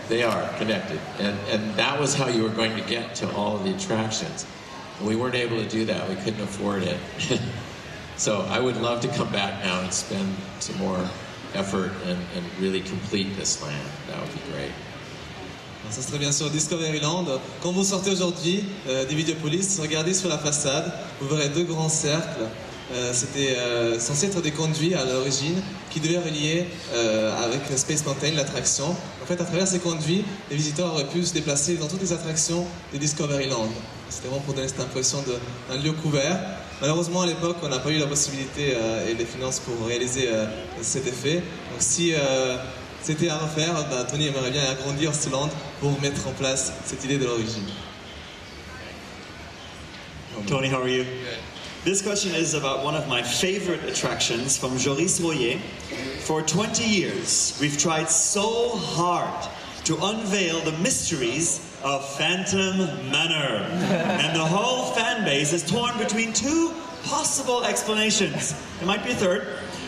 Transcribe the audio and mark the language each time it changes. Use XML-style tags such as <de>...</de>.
<en>They are connected. And that was how you were going to get to all of the attractions. And we weren't able to do that. We couldn't afford it. So I would love to come back now and spend some more effort and really complete this land. That would be great.</en> <fr>Ça serait bien sûr Discoveryland. Quand vous sortez aujourd'hui des Videopolis, regardez sur la façade, vous verrez deux grands cercles. c'était censé être des conduits à l'origine qui devaient relier avec Space Mountain, l'attraction. En fait, à travers ces conduits, les visiteurs auraient pu se déplacer dans toutes les attractions de Discoveryland. C'était vraiment pour donner cette impression d'un lieu couvert. Malheureusement, à l'époque, on n'a pas eu la possibilité et les finances pour réaliser cet effet. Donc si c'était à refaire, bah, Tony aimerait bien agrandir ce land pour mettre en place cette idée de l'origine.</fr> <en>Tony, how are you? This question is about one of my favorite attractions from Joris Royer. For 20 years, we've tried so hard to unveil the mysteries of Phantom Manor. And the whole fan base is torn between two possible explanations. It might be a third.</en>